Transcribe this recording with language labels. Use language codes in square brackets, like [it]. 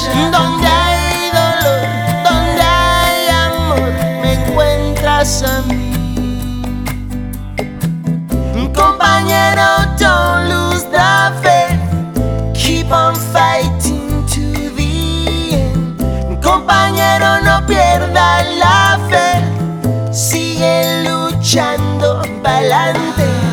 [es] Donde hay dolor, donde hay amor, me encuentras a mí. [en] Compañero, don't lose the faith, keep on fighting to the end. [es] Compañero, no pierdas la fe, sigue luchando pa'lante.